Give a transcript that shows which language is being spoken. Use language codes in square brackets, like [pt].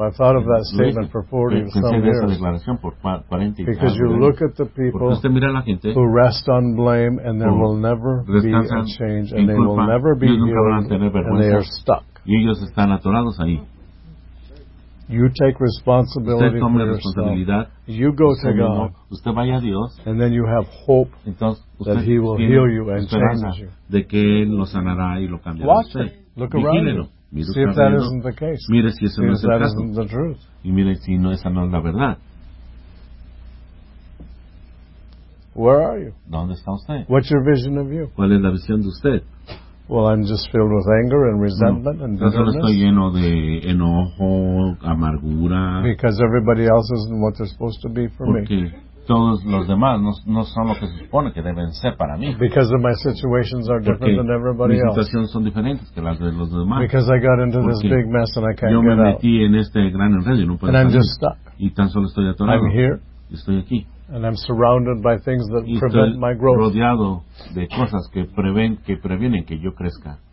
[en] I've thought of that statement for 40 some years. Because you look at the people who rest on blame and there will never be a change and they will never be healed and they are stuck. [es] Ellos están atorados ahí. [en] You take responsibility for yourself. You go to God [es] usted vaya a Dios, [en] and then you have hope that he will heal you and change you. [es] De que él lo sanará y lo cambiará. [en] Watch it. Look around you. See if that isn't the case. See if that isn't the truth. [es] Y mire si no, esa no es la verdad. [en] Where are you? [es] ¿Dónde está usted? [en] What's your vision of you? [es] ¿Cuál es la visión de usted? [en] Well, I'm just filled with anger and resentment and bitterness. [es] Estoy lleno de enojo, amargura. [en] Because everybody else isn't what they're supposed to be for me. [es] Porque todos los demás no son lo que se supone que deben ser para mí. [en] Because of my situations are different than everybody else. [es] Mis situaciones son diferentes que las de los demás. [en] Because I got into this big mess and I can't get out. [es] Yo me metí en este gran enredo y no puedo salir. [en] And I'm just stuck. [es] Y tan solo estoy atorado. [en] I'm here. [es] Estoy aquí. [en] And I'm surrounded by things that prevent my growth. [es] Rodeado de cosas que previenen que yo crezca.